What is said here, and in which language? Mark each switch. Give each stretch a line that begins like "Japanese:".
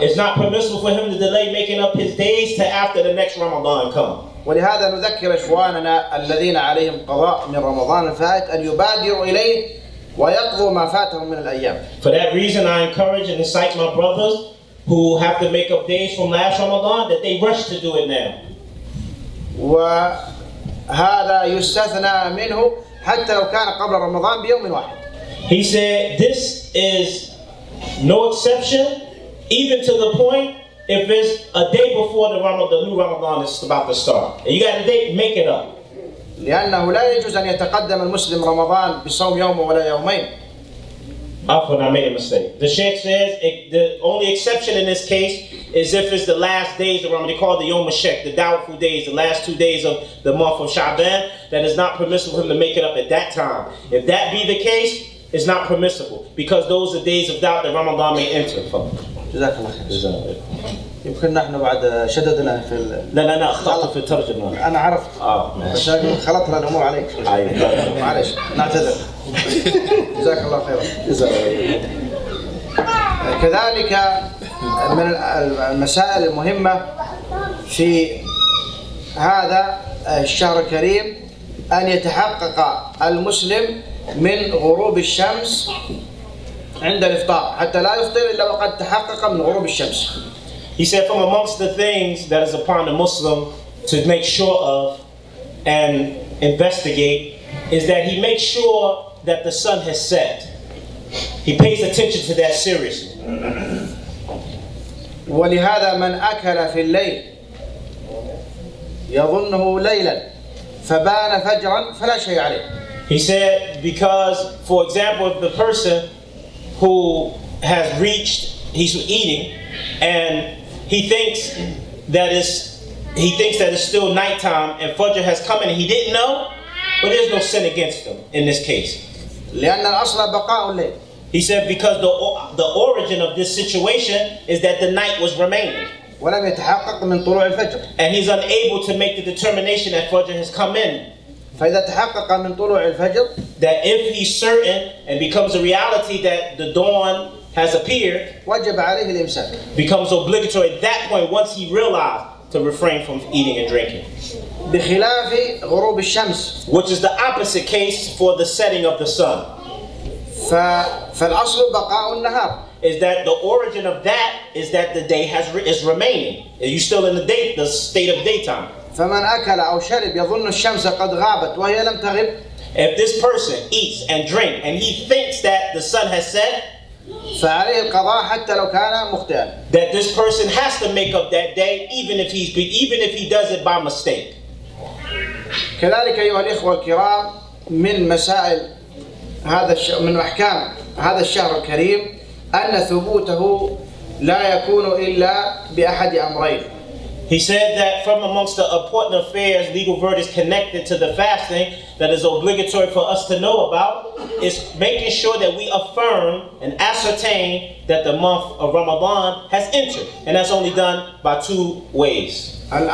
English: It's not permissible for him to delay making up his days to after the next Ramadan come.
Arabic: ولهذا نذكر إخواننا الذين عليهم قضاء من رمضان الفائت أن يبادروا إليه ويقضوا ما فاتهم من الأيام.
English: For that reason, I encourage and incite my brothers who have to make up days from last Ramadan that they rush to do it now.
Arabic: وهذا يستثنى منه حتى لو كان قبل رمضان بيوم واحد.
English: He said, "This is no exception, even to the point." If it's a day before the new Ramadan is about to start, and you got a date, make it up.
Arabic: لأنه لا يجوز أن يتقدم المسلم رمضان بصوم يوم ولا يومين.
English: Often I made a mistake. The Sheikh says the only exception in this case is if it's the last days of Ramadan. They call it the Yom Hashek, the doubtful days, the last 2 days of the month of Sha'ban. That is not permissible for him to make it up at that time. If that be the case, it's not permissible because those are days of doubt that Ramadan may enter from.
Arabic: جزاك الله خير. يمكن نحن بعد شددنا في ال... لا أخطأت في الترجمة. أنا عرف. ماشي. خلطنا الأمور عليك. معلش نعتذر. جزاك الله خير. جزاك الله. كذلك من المسائل المهمة في هذا الشهر الكريم أن يتحقق المسلم من غروب الشمس عند الإفطار حتى لا يفطر إلا وقد تحقق من غروب الشمس.
English: He said, from amongst the things that is upon the Muslim to make sure of and investigate is that he makes sure that the sun has set. He pays attention to that seriously.
Arabic: ولهذا من أكل في الليل يظنه ليلا فبان فجرا فلا شيء عليه.
English: He said, because for example, if the person who has reached, he's eating, and he thinks that it's still nighttime and Fajr has come and he didn't know, but there's no sin against him in this case. He said, because the origin of this situation is that the night was remaining. And he's unable to make the determination that Fajr has come in.
Arabic: فإذا تحقق من طلوع الفجر
English: that if he's certain and becomes a reality that the dawn has appeared
Arabic: وجب عليه الإمساك
English: becomes obligatory at that point once he realized to refrain from eating and drinking
Arabic: بخلاف غروب الشمس
English: which is the opposite case for the setting of the sun
Arabic: فالأصل بقاء النهار
English: is that the origin of that is that the day has is remaining are you still in the day the state of daytime
Arabic: فمن أكل أو شرب يظن الشمس قد غابت وهي لم تغب.
English: If this person eats and drinks and he thinks that the sun has set,
Arabic: فعليه القضاء حتى لو كان مخطئاً.
English: That this person has to make up that day even if he does it by mistake.
Arabic: كذلك أيها الإخوة الكرام من مسائل من أحكام هذا الشهر الكريم أن ثبوته لا يكون إلا بأحد أمرين.
English: He said that from amongst the important affairs, legal verdicts connected to the fasting that is obligatory for us to know about is making sure that we affirm and ascertain that the month of Ramadan has entered. And that's only done by two ways.